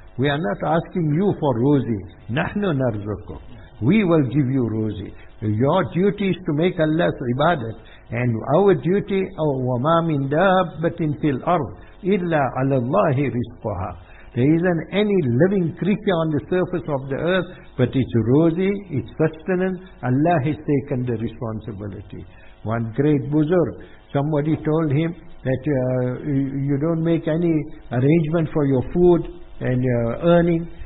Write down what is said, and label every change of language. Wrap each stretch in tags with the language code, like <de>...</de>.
<en>We are not asking you for rosy.</en> <ar>نحن نرزقك.</ar> <en>We will give you rosy. Your duty is to make Allah's ibadat. And our duty,</en> <ar>وَمَا مِنْ دَابَّةٍ فِي الْأَرْضِ إِلَّا عَلَى اللَّهِ رِزْقُهَا.</ar> <en>There isn't any living creature on the surface of the earth, but it's rosy, it's sustenance. Allah has taken the responsibility. One great buzzur, somebody told him that you don't make any arrangement for your food and your earning.</en>